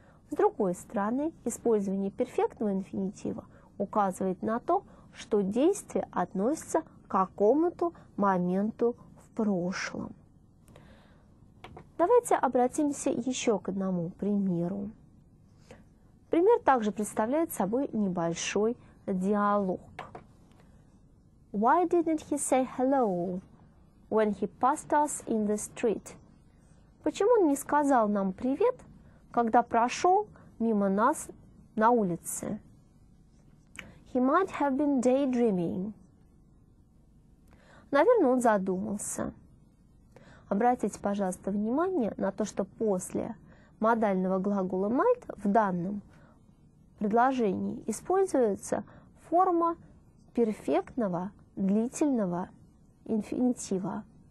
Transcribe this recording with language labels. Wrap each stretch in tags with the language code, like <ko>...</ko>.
<ru>С другой стороны, использование перфектного инфинитива указывает на то, что действие относится к какому-то моменту в прошлом. Давайте обратимся еще к одному примеру. Пример также представляет собой небольшой диалог.</ru> <en>Why didn't he say hello when he passed us in the street?</en> <ru>Почему он не сказал нам привет, когда прошел мимо нас на улице?</ru> <en>He might have been daydreaming.</en> <ru>Наверное, он задумался. Обратите, пожалуйста, внимание на то, что после модального глагола might в данном предложении используется форма перфектного длительного инфинитива.</ru>